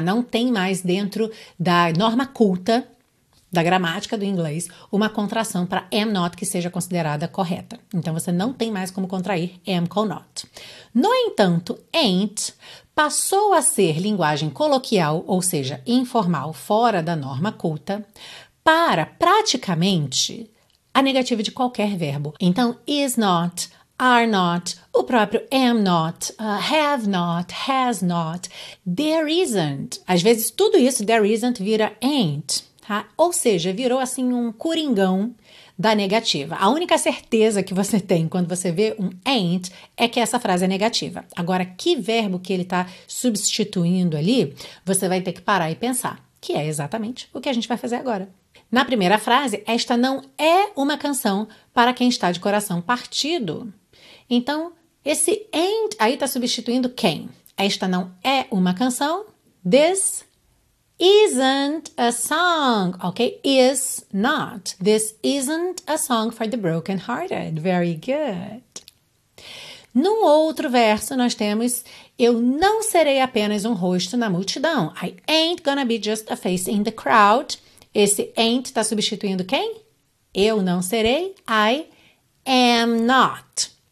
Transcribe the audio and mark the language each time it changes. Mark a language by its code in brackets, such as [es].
[pt] Não tem mais dentro da norma culta da gramática do inglês uma contração para am not que seja considerada correta. Então, você não tem mais como contrair am com not. No entanto, ain't passou a ser linguagem coloquial, ou seja, informal, fora da norma culta, para praticamente a negativa de qualquer verbo. Então, is not, are not, o próprio am not, have not, has not, there isn't. Às vezes, tudo isso, there isn't, vira ain't. Tá? Ou seja, virou assim um coringão da negativa. A única certeza que você tem quando você vê um ain't é que essa frase é negativa. Agora, que verbo que ele está substituindo ali, você vai ter que parar e pensar, que é exatamente o que a gente vai fazer agora. Na primeira frase, esta não é uma canção para quem está de coração partido. Então, esse ain't aí está substituindo quem? Esta não é uma canção, [en] this isn't a song, [pt] ok? [en] Is not. This isn't a song for the brokenhearted. Very good. [pt] No outro verso, nós temos, eu não serei apenas um rosto na multidão. [en] I ain't gonna be just a face in the crowd. [pt] Esse ain't está substituindo quem? Eu não serei. [en] I am not.